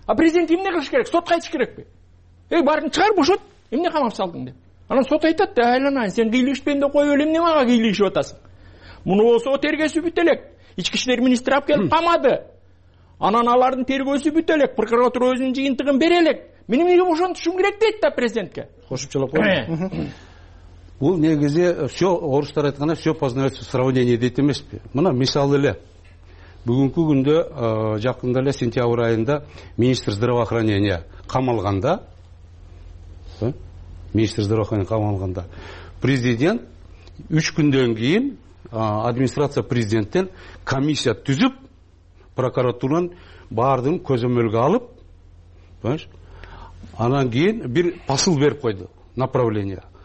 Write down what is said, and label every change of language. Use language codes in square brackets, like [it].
[ky] А президент эмне кылыш керек? Сотко айтыш керекпи? Баарын чыгар, бошот, эмне камап салдың деп. Анан сот айтат да, айланайын, сен кийлигишпен деп коюп эле эмне мага кийлигишип атасың? Муну болсо тергөөсү бүтө элек. Ички иштер министри алып келип камады. Анан алардын тергөөсү бүтө элек, прокуратура өзүнүн жыйынтыгын бере элек. Мен эмнеге ошентишим керек дейт да президентке. Кошумчалап коеюн. Бул негизи все орустар айтканда [ru] все познается в сравнении [ky] дейт эмеспи. Мына мисалы эле бүгүнкү күндө жакында эле сентябрь айында [ru] министр здравоохранения [ky] камалганда, министр здравоохранения камалганда президент 3 күндөн кийин администрация президенттен комиссия түзүп прокуратуранын баардыгын көзөмөлгө алып, анан кийин бир посыл берип койду, направление.